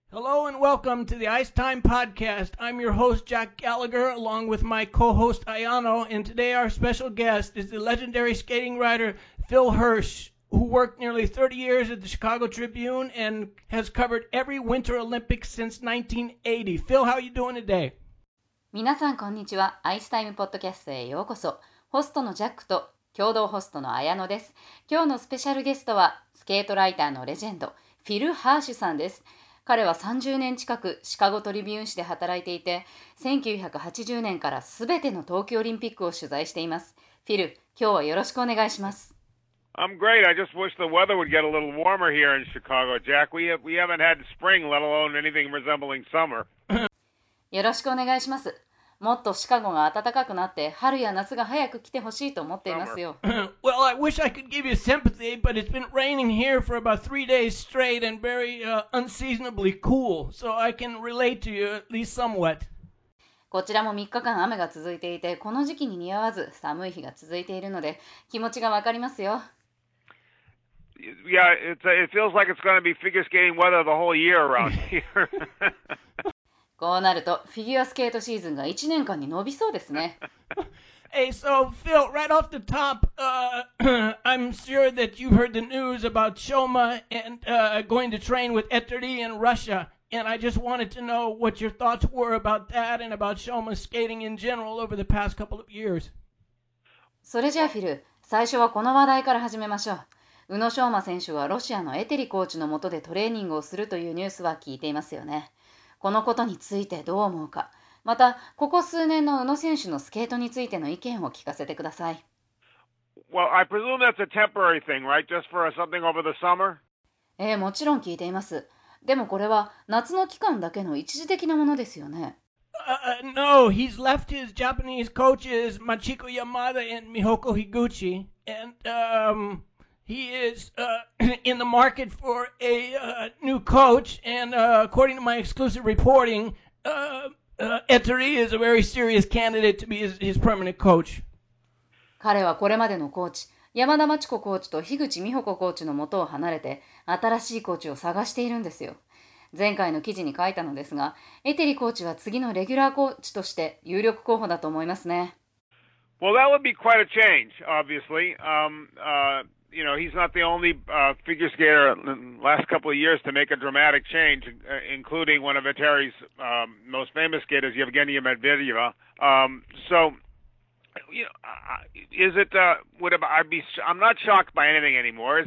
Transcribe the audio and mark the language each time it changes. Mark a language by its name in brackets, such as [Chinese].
[English] Hello and welcome to the Ice Time Podcast. I'm your host, Jack Gallagher, along with my co-host, Ayano. And today our special guest is the legendary skating writer, Phil Hirsch, who worked nearly 30 years at the Chicago Tribune and has covered every Winter Olympics since 1980. Phil, how are you doing today? [Japanese] 皆さん、こんにちは。アイスタイムポッドキャストへようこそ。ホストのジャックと共同ホストの綾野です。今日のスペシャルゲストは、スケートライターのレジェンド、フィル・ハーシュさんです。彼は30年近くシカゴトリビューン紙で働いていて、1980年からすべての冬季オリンピックを取材しています。フィル、今日はよろしくお願いします。 [English] I'm great. I just wish the weather would get a little warmer here in Chicago, Jack. We haven't had spring, let alone anything resembling summer. [Japanese] よろしくお願いします。もっとシカゴが暖かくなって、春や夏が早く来てほしいと思っていますよ。 [English] Well, I wish I could give you sympathy, but it's been raining here for about 3 days straight and very unseasonably cool, so I can relate to you at least somewhat. [Japanese] こちらも3日間雨が続いていて、この時期に似合わず寒い日が続いているので、気持ちがわかりますよ。 [English] Yeah, it feels like it's going to be figure skating weather the whole year around here. [Japanese] こうなるとフィギュアスケートシーズンが1年間に伸びそうですね。 [English] Hey, so Phil, right off the top, I'm sure that you've heard the news about Shoma and going to train with Eterie in Russia. And I just wanted to know what your thoughts were about that and about Shoma skating in general over the past couple of years. [Japanese] それじゃあフィル、最初はこの話題から始めましょう。宇野昌磨選手はロシアのエテリコーチの下でトレーニングをするというニュースは聞いていますよね。このことについてどう思うか、またここ数年の宇野選手のスケートについての意見を聞かせてください。 [English] Well, I presume that's a temporary thing, right? Just for something over the summer? [Japanese] もちろん聞いています。でもこれは夏の期間だけの一時的なものですよね。 [English] No, he's left his Japanese coaches, Machiko Yamada and Mihoko Higuchi, and he is in the market for a new coach, and according to my exclusive reporting, Eteri is a very serious candidate to be his permanent coach. [Japanese] 彼はこれまでのコーチ、山田真知子コーチと樋口美穂子コーチの元を離れて、新しいコーチを探しているんですよ。前回の記事に書いたのですが、エテリコーチは次のレギュラーコーチとして有力候補だと思いますね。 [English] Well, that would be quite a change, obviously. You know, he's not the only figure skater in the last couple of years to make a dramatic change, including one of Eteri's most famous skaters, Yevgenia Medvedeva. I'm not shocked by anything anymore.